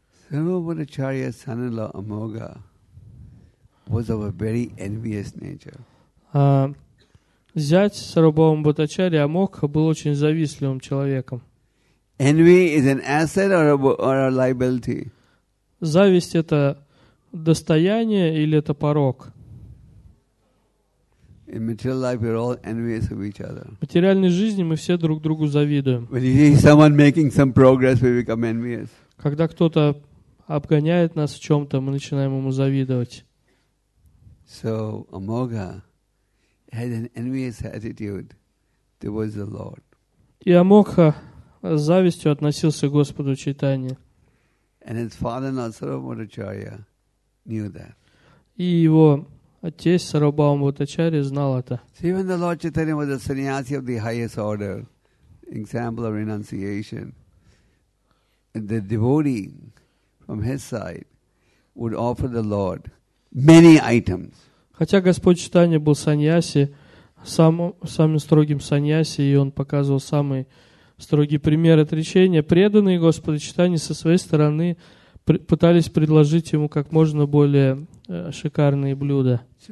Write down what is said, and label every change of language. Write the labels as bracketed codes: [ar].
[en] Sarvabhattacharya's son-in-law Amoga was of a very envious nature. [ru] Зять Сарвабхаума Бхаттачарьи Амокха был очень завистливым человеком. [en] Envy is an asset or a liability? [ru] Зависть — это достояние или это порок? [en] In material life, we're all envious of each other. [ru] В материальной жизни мы все друг другу завидуем. [en] When you see someone making some progress, we become envious. [ru] Когда кто-то обгоняет нас в чем-то, мы начинаем ему завидовать. [en] So Amoga had an envious attitude towards the Lord. [ru] И Амокха с завистью относился к Господу Чайтанье. [en] And his father-in-law Sarvabhattacharya knew that. [ru] И его тесть Сарвабхаума Бхаттачарья знал это. [en] So even the Lord Chaitanya was a sannyasi of the highest order, example of renunciation. And the devotee from his side would offer the Lord many items. [ru] Хотя Господь Чайтанья был саньяси, самым строгим саньяси, и он показывал самый строгий пример отречения, преданные Господу Чайтанье со своей стороны пытались предложить ему как можно более шикарные блюда.